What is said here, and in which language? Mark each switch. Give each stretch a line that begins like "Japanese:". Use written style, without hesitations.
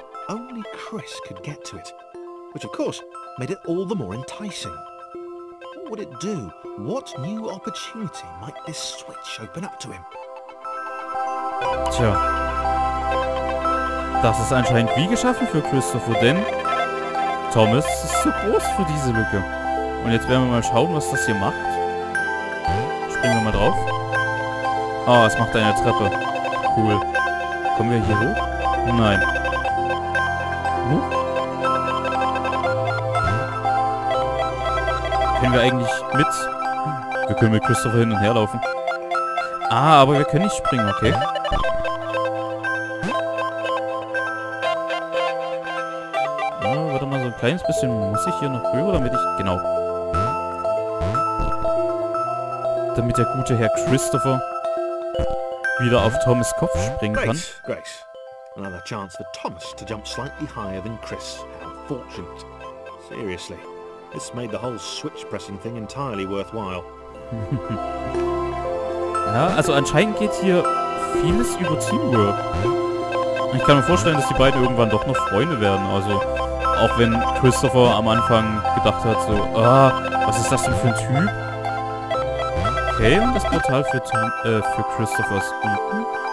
English: Only Chris could get to it, which of course made it all the more enticing. What would it do? What new opportunity might this switch open up to him?
German: Tja. Das ist anscheinend wie geschaffen für Christopher, denn Thomas ist zu groß für diese Lücke. Und jetzt werden wir mal schauen, was das hier macht. Springen wir mal drauf. Oh, es macht eine Treppe. Cool. Kommen wir hier hoch? Nein. Huh? Können wir eigentlich mit? Wir können mit Christopher hin und her laufen. Ah, aber wir können nicht springen, okay. Oh, warte mal, so ein kleines bisschen muss ich hier noch rüber, damit ich... Genau. Damit der gute Herr Christopher... wieder auf Thomas Kopf springen kann.
English: Grace. Another chance for Thomas to jump slightly higher than Chris. How fortunate. Seriously. This made the whole switch pressing thing entirely worthwhile.
German: Ja, also anscheinend geht hier vieles über Teamwork. Ich kann mir vorstellen, dass die beiden irgendwann doch noch Freunde werden. Also, auch wenn Christopher am Anfang gedacht hat, so, ah, was ist das denn für ein Typ? Okay, und das Portal für Tom, für Christopher ist unten.